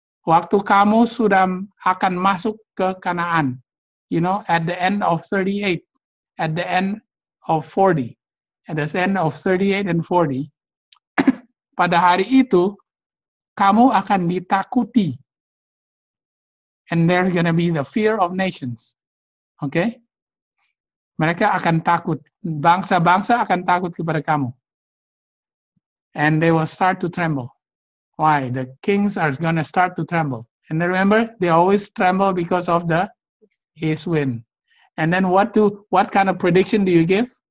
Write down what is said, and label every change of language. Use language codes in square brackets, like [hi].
[id] waktu kamu sudah akan masuk ke Kanaan, [en] you know, at the end of 38, at the end of 40, at the end of 38 and 40, [id] pada hari itu, kamu akan ditakuti. [en] And there's going to be the fear of nations. [id] Okay? Mereka akan takut. Bangsa-bangsa akan takut kepada kamu. [en] And they will start to tremble. Why? The kings are going to start to tremble. And remember, they always tremble because of the east wind. And then what kind of prediction do you give?